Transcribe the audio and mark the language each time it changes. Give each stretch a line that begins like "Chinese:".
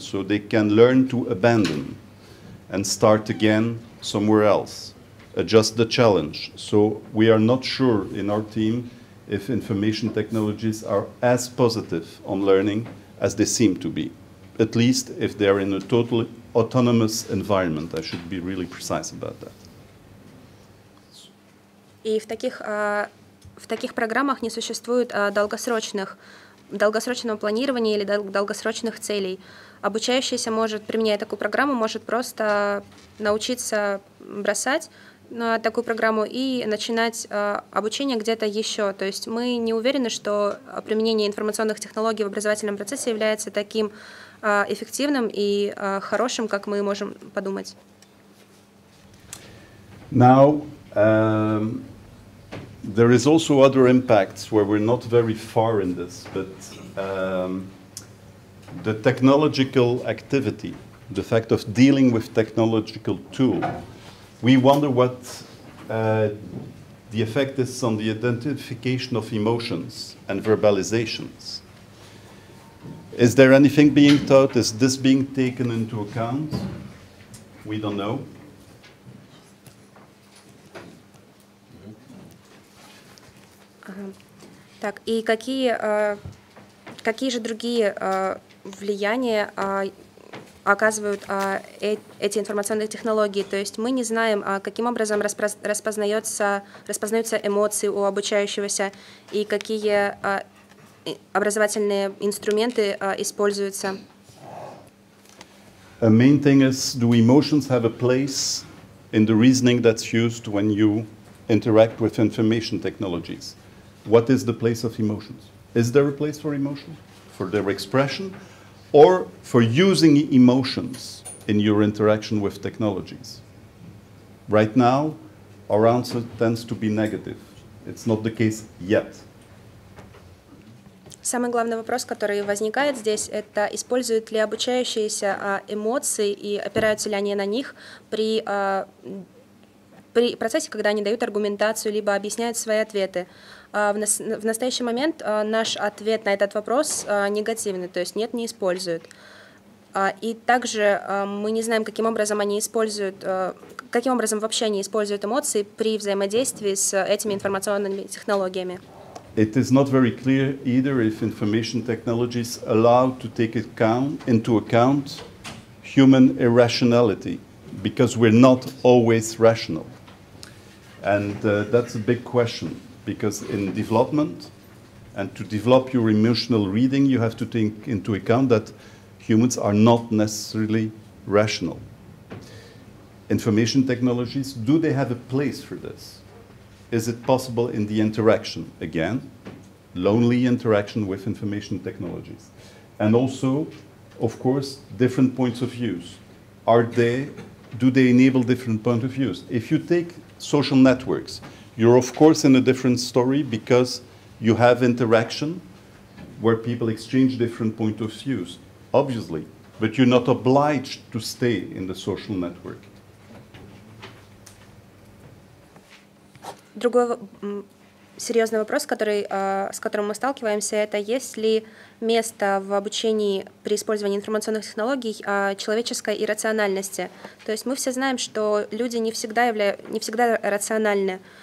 English: So they can learn to abandon and start again somewhere else, adjust the challenge. So we are not sure in our team if information technologies are as positive on learning as they seem to be. At least if they are in a totally autonomous environment. I should be really precise about that.
Russian: И в таких программах не существует долгосрочного планирования или долгосрочных целей. Обучающийся может, применяя такую программу, может просто научиться бросать на такую программу и начинать обучение где-то еще. То есть мы не уверены, что применение информационных технологий в образовательном процессе является таким эффективным и хорошим, как мы можем подумать.
English: Now, there is also other impacts where we're not very far in this, but the technological activity, the fact of dealing with technological tool, we wonder what the effect is on the identification of emotions and verbalizations. Is there anything being taught? Is this being taken into account? We don't know.
Russian: Так, и какие же другие влияния оказывают эти информационные технологии? То есть мы не знаем, каким образом распознаются эмоции у обучающегося и какие образовательные инструменты используются.
English: A main thing is, do emotions have a place in the reasoning that's used when you interact with information technologies? What is the place of emotions? Is there a place for emotion, for their expression, or for using emotions in your interaction with technologies? Right now, our answer tends to be negative. It's not the case yet.
Russian: Самый главный вопрос, который возникает здесь, это используют ли обучающиеся эмоции и опираются ли они на них при процессе, когда они дают аргументацию, либо объясняют свои ответы. В настоящий момент наш ответ на этот вопрос негативный, то есть нет, не используют. И также мы не знаем, каким образом вообще они используют эмоции при взаимодействии с этими информационными технологиями.
English: It is not very clear either if information technologies allow to take account, into account human irrationality, because we're not always rational. And that's a big question, because in development, and to develop your emotional reading, you have to take into account that humans are not necessarily rational. Information technologies, do they have a place for this? Is it possible in the interaction? Again, lonely interaction with information technologies. And also, of course, different points of views. Are they, do they enable different points of views? If you take social networks, you're of course in a different story because you have interaction where people exchange different points of views, obviously, but you're not obliged to stay in the social network.
Russian: Другой серьезный вопрос, который, с которым мы сталкиваемся, это есть ли место в обучении при использовании информационных технологий человеческой иррациональности. То есть мы все знаем, что люди не всегда, не всегда рациональны.